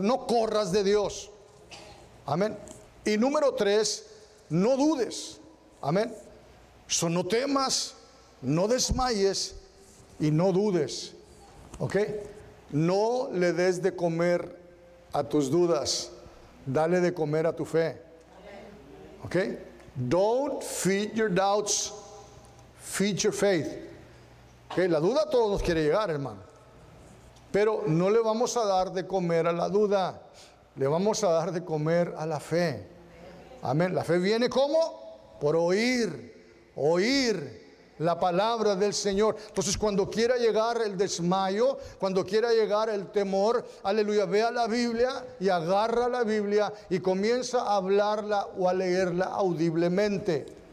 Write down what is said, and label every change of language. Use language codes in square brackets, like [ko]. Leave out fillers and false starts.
[es] No corras de Dios. Amén. Y número tres, no dudes. Amén. So, no temas, no desmayes y no dudes. ¿Ok? No le des de comer a tus dudas. Dale de comer a tu fe. ¿Ok? [en] Don't feed your doubts, feed your faith. [es] ¿Okay? La duda a todos nos quiere llegar, hermano. Pero no le vamos a dar de comer a la duda. Le vamos a dar de comer a la fe. Amén. La fe viene ¿cómo? Por oír, oír la palabra del Señor. Entonces, cuando quiera llegar el desmayo, cuando quiera llegar el temor, aleluya, vea la Biblia y agarra la Biblia y comienza a hablarla o a leerla audiblemente.